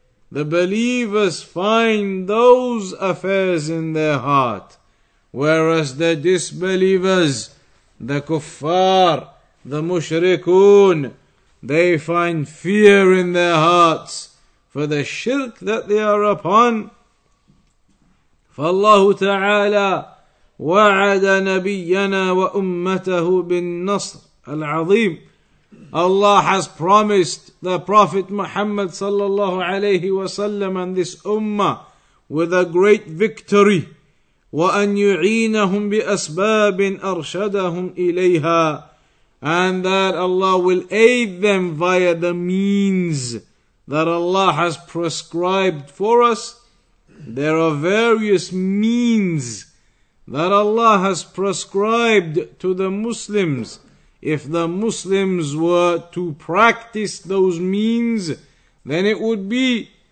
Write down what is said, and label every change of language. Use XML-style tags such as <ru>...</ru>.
<en>The believers find those affairs in their heart, whereas the disbelievers, the kuffar, the mushrikun, they find fear in their hearts for the shirk that they are upon.</en> <ar>فالله تعالى وعد نبينا وأمته بالنصر العظيم.</ar> <en>Allah has promised the Prophet Muhammad sallallahu alayhi wa sallam and this ummah with a great victory.</en> <ar>وأن يعينهم بأسباب أرشدهم إليها.</ar> <en>And that Allah will aid them via the means that Allah has prescribed for us. There are various means that Allah has prescribed to the Muslims. If the Muslims were to practice those means, then it would be</en>